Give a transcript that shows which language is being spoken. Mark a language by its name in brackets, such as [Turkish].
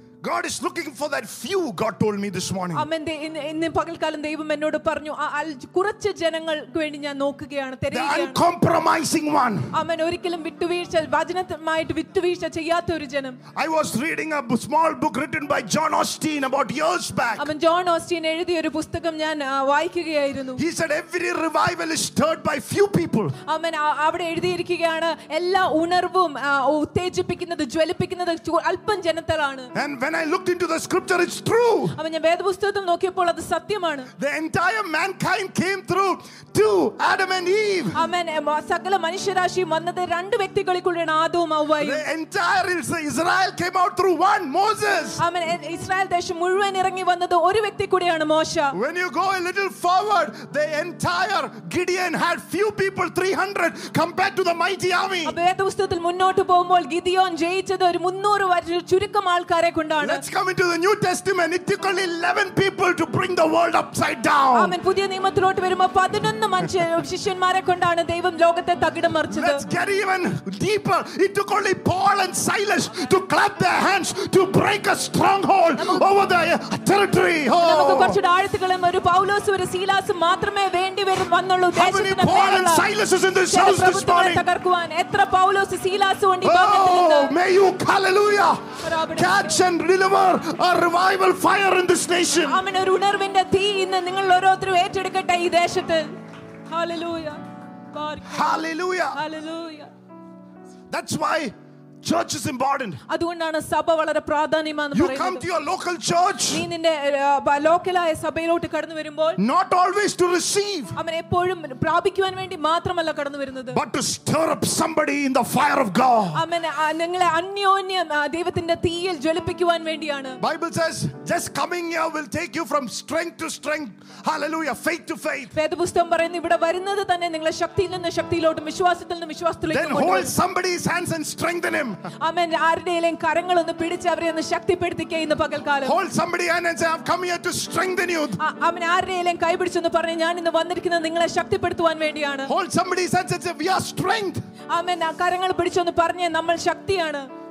[English] God is looking for that few, God told me this morning. Amen. [Malayalam] ഇന്ന് പകൽക്കാലം ദൈവം എന്നോട് പറഞ്ഞു, കുറച്ച് ജനങ്ങൾക്ക് വേണ്ടി ഞാൻ നോക്കുകയാണ്. [English] The uncompromising one. Amen. [Malayalam] ഒരിക്കലും വിട്ടുവീഴ്ച വചനമായിട്ട് വിട്ടുവീഴ്ച ചെയ്യാത്ത ഒരു ജനം. [English] I was reading a small book written by John Austin about years back. Amen. [Malayalam] John Austin എഴുതിയ ഒരു പുസ്തകം ഞാൻ വായിക്കുകയായിരുന്നു. [English] He said every revival is stirred by few people. Amen. [Malayalam] അവിടെ എഴുതിയിരിക്കുകയാണ് എല്ലാ ഉണർവും ഉത്തേജിപ്പിക്കുന്നത് ജ്വലിപ്പിക്കുന്നത് അല്പം ജനത്തിലാണ്. [English] And when I looked into the scripture it's true. [Malayalam] അവൻ ഞാൻ വേദപുസ്തകത്തിൽ നോക്കിയപ്പോൾ അത് സത്യമാണ്. [English] The entire mankind came through two, Adam and Eve. Amen. [Malayalam] സകല മനുഷ്യരാശി വന്നത് രണ്ട് വ്യക്തികളിലൂടെയാണ്, ആദവും ഹവ്വയും. [English] The entire Israel came out through one, Moses. Amen. [Malayalam] Israel ദേശം മുഴുവൻ ഇറങ്ങി വന്നത് ഒരു വ്യക്തി കൂടിയാണ്, മോശ. [English] When you go a little forward, the entire Gideon had few people, 300 compared to the mighty army. [Malayalam] വേദപുസ്തകത്തിൽ മുന്നോട്ട് പോകുമ്പോൾ ഗിദിയോൻ ജയിച്ചത് ഒരു 300 വരെ ചുരുക്കം ആൾക്കാരെ കൊണ്ടാണ്. [English] Let's come into the New Testament. It took only 11 people to bring the world upside down. Amen. [Malayalam] പുതിയ നിയമത്തിലോട്ട് വരുമ്പോൾ 11 ശിഷ്യന്മാരെ കൊണ്ടാണ് ദൈവം ലോകത്തെ തകിടം മറിച്ചത്. [English] Let's get even deeper. It took only Paul and Silas to clap their hands to break a stronghold over the territory. [Malayalam] നമുക്ക് കുറച്ച് ആഴത്തുകളും ഒരു പൗലോസും ഒരു സീലാസും മാത്രമേ വേണ്ടി വരും വന്നുള്ളൂ. [English] How many Paul and Silas's in this house this morning? [Malayalam] തകർക്കുവാൻ എത്ര പൗലോസും സീലാസും ഉണ്ട് ഈ ഭാഗത്തുണ്ട്. [English] May you, hallelujah, catch and deliver a revival fire in this nation. [Malayalam] ആമേൻ. ഒരു ഉണർവിന്റെ തീ ഇന്ന് നിങ്ങളിൽ ഓരോരുത്തരും ഏറ്റെടുക്കട്ടെ ഈ ദേശത്തെ. [English] Hallelujah. Hallelujah. Hallelujah. That's why church is important. [Malayalam] അതുകൊണ്ടാണ് സഭ വളരെ പ്രാധാന്യമാണെന്ന് പറയുന്നത്. [English] You come to your local church. [Malayalam] നീ നിന്റെ ലോക്കലായ സഭയിലോട്ട് കടന്നു വരുമ്പോൾ [English] not always to receive. [Malayalam] അവൻ എപ്പോഴും പ്രാപിക്കാൻ വേണ്ടി മാത്രമല്ല കടന്നു വരുന്നത്. [English] But to stir up somebody in the fire of God. [Malayalam] അവൻ നിങ്ങളെ അന്യോന്യം ദൈവത്തിന്റെ തീയിൽ ജ്വലിപ്പിക്കാൻ വേണ്ടിയാണ്. [English] Bible says just coming here will take you from strength to strength. Hallelujah. Faith to faith. [Malayalam] വേദപുസ്തകം പറയുന്നു ഇവിടെ വരുന്നത് തന്നെ നിങ്ങളെ ശക്തിയിൽ നിന്ന് ശക്തിയിലോട്ടും വിശ്വാസത്തിൽ നിന്ന് വിശ്വാസത്തിലേക്കും കൊണ്ടുപോകും. [English] Then hold somebody's hands and strengthen him. Amen. [Malayalam] ആരുടെയെങ്കിലും കരങ്ങൾ ഒന്ന് പിടിച്ച് അവരെ ഒന്ന് ശക്തിപ്പെടുത്തിക്കേ ഇന്ന് പകൽക്കാലം. [English] Hold somebody and say I've come here to strengthen you. [Malayalam] അമ്മേ ആരുടെയെങ്കിലും കൈ പിടിച്ചൊന്ന് പറഞ്ഞു ഞാൻ ഇന്ന് വന്നിരിക്കുന്നത് നിങ്ങളെ ശക്തിപ്പെടുത്തുവാൻ വേണ്ടിയാണ്. [English] Hold somebody and say we are strength. [Malayalam] അമ്മേ ആ കരങ്ങൾ പിടിച്ചൊന്ന് പറഞ്ഞു നമ്മൾ ശക്തിയാണ്.